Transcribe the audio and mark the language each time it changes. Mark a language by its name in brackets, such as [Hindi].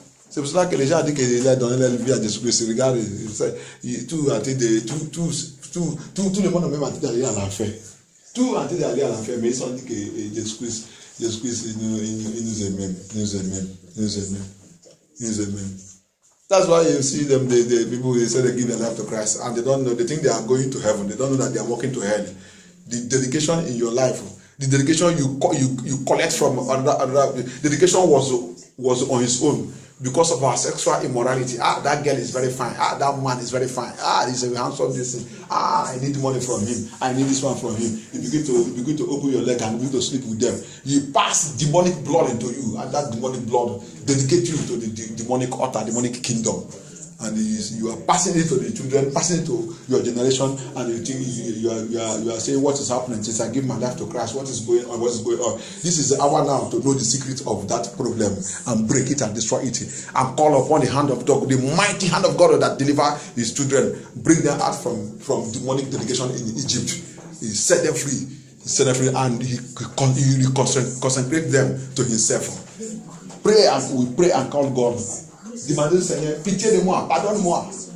[French] C'est pour cela que les gens disent qu'il a donné leur vie à Jésus-Christ. Regarde, tout le monde a même dit d'aller à l'enfer. Tout a dit d'aller à l'enfer, mais ils ont dit que Jésus-Christ, il nous aime. Il nous aime. Il nous aime. Il nous aime. [English] That's why you see them, the people, they say they give their life to Christ, and they don't know, they think they are going to heaven. They don't know that they are walking to hell. The dedication in your life, the dedication you collect from another, dedication was on his own because of our sexual immorality. Ah, that girl is very fine. Ah, that man is very fine. Ah, he's a handsome person. Ah, I need money from him. I need this one from him. You begin to open your leg and begin to sleep with them. You pass demonic blood into you, and that demonic blood dedicate you to the demonic altar, demonic kingdom. And you are passing it to the children, passing it to your generation, and you think you are saying, what is happening since I give my life to Christ? What is going on? What is going on? This is the hour now to know the secret of that problem and break it and destroy it and call upon the hand of God, the mighty hand of God that deliver his children, bring them out from demonic delegation in Egypt. He set them free, and he consecrate them to himself. We pray and call God. [French] Demandez au Seigneur, pitié de moi, pardonne-moi.